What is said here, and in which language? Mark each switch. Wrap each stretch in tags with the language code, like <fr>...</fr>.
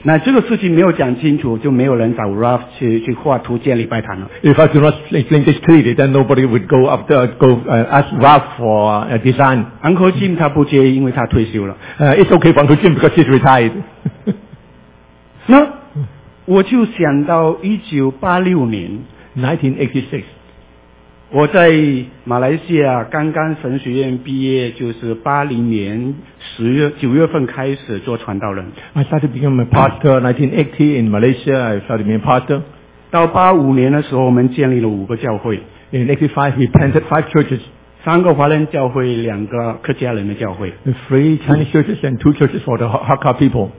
<zh>那这个事情没有讲清楚，就没有人找 Ralph 去画图建礼拜堂了。</zh> <en>If I do not explain this clearly, then nobody would ask Ralph for a design.</en> <zh>Uncle Jim 他不接，因为他退休了。</zh> <en>It's okay for Uncle Jim because he's retired.</en> <zh>那我就想到1986年</zh> <en>，1986。</en> <zh>我在马来西亚刚刚神学院毕业，就是80年9月份开始做传道人。</zh> <en>I started become a pastor 1980 in Malaysia. I started being a pastor.</en> <zh>到85年的时候，我们建立了5个教会。</zh> <en>In 85, we planted 5 churches.</en> <zh>3个华人教会，2个客家人的教会。</zh> <en>3 Chinese churches and 2 churches for the Hakka people.</en>